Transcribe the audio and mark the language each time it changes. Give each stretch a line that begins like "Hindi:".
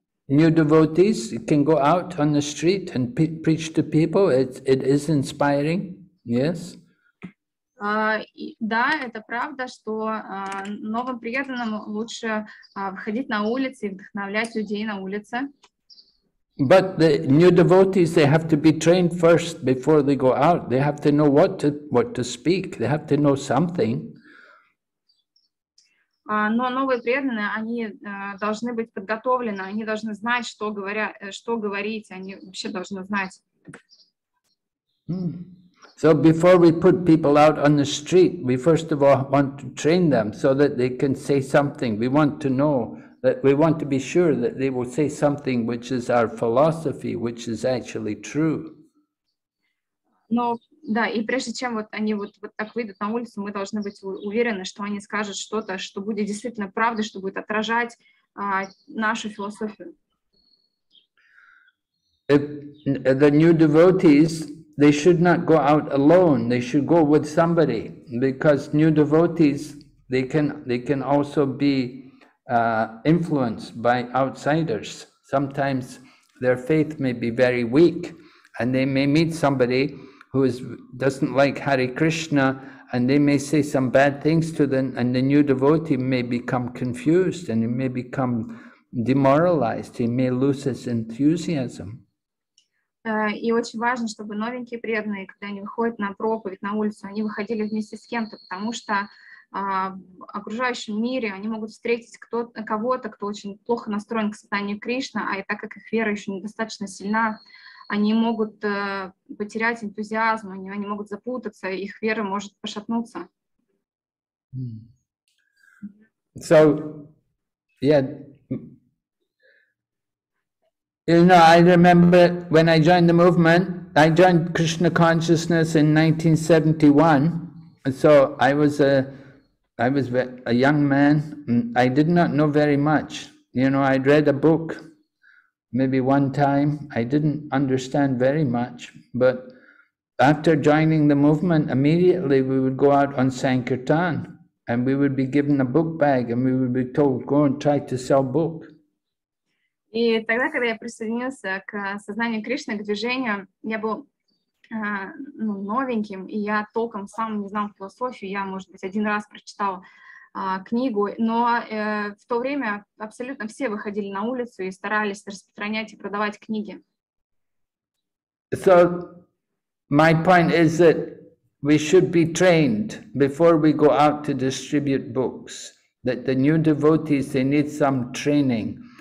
English: New devotees can go out on the street and preach to people. It is inspiring, yes.
Russian: Да, это правда, что новым преданным лучше выходить на улицы и вдохновлять людей на улице.
English: But the new devotees, they have to be trained first before they go out. They have to know what to speak. They have to know something.
Russian: Но новые преданные, они должны быть подготовлены. Они должны знать, что говорить. Они вообще должны знать.
English: So before we put people out on the street, we first of all want to train them so that they can say something. We want to know that we want to be sure that they will say something which is our philosophy, which is actually true.
Russian: Ну, да, и прежде чем вот они вот, вот так выйдут на улицу, мы должны быть уверены, что они скажут что-то, что будет действительно правдой, что будет отражать нашу философию.
English: If the new devotees, they should not go out alone, they should go with somebody, because new devotees, they can also be influenced by outsiders. Sometimes their faith may be very weak, and they may meet somebody who is, doesn't like Hare Krishna, and they may say some bad things to them, and the new devotee may become confused, and he may become demoralized, he may lose his enthusiasm.
Russian: И очень важно, чтобы новенькие преданные, когда они выходят на проповедь, на улицу, они выходили вместе с кем-то, потому что в окружающем мире они могут встретить кого-то, кто очень плохо настроен к сознанию Кришны, а и так как их вера еще недостаточно сильна, они могут потерять энтузиазм, они могут запутаться, их вера может пошатнуться.
English: So, yeah. You know, I remember when I joined the movement, I joined Krishna Consciousness in 1971. So I was a young man. I did not know very much. You know, I'd read a book maybe one time. I didn't understand very much. But after joining the movement, immediately we would go out on Sankirtan and we would be given a book bag and we would be told, go and try to sell book.
Russian: И тогда, когда я присоединился к сознанию Кришны, к движению, я был новеньким, и я толком сам не знал философию, я, может быть, один раз прочитал книгу, но в то время абсолютно все выходили на улицу и старались распространять и продавать книги.
English: So, my point is that we should be trained before we go out to distribute books, that the new devotees, they need some training.